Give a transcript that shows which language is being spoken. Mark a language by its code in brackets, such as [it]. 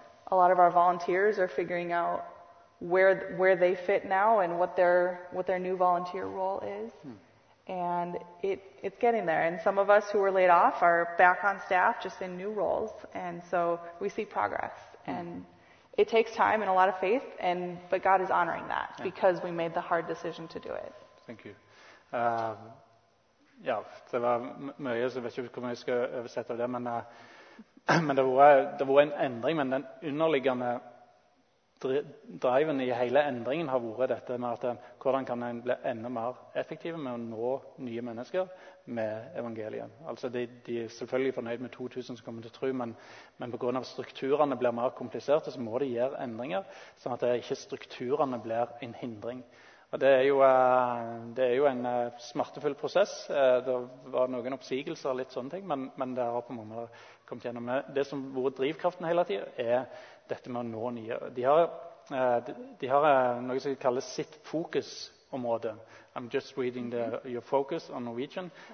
[en] A lot of our volunteers are figuring out where they fit now and what their new volunteer role is. And it's getting there. And some of us who were laid off are back on staff, just in new roles. And so we see progress. And it takes time and a lot of faith. But God is honoring that because we made the hard decision to do it. Thank you. [no] Ja, det var mye, så jeg vet ikke hvordan jeg skal oversette det. Men det var en endring. Men den underliggende driven i hele endringen har vært dette med at hvordan kan en bli enda mer effektiv med å nå nye mennesker med evangeliet. Altså de er selvfølgelig fornøyd med 2000 som kommer til tro, men på grunn av strukturene blir mer kompliserte, så må de gjøre endringer, sånn at det ikke strukturene blir en hindring. Og det er jo en smertefull prosess. Det var noen oppsigelser og litt sånne ting, men det har på mange måter kommet gjennom. Det som har vært drivkraften hele tiden er dette med å nå nye. De har noe som kalles sitt fokusområde. [en] I'm just reading your focus on Norwegian.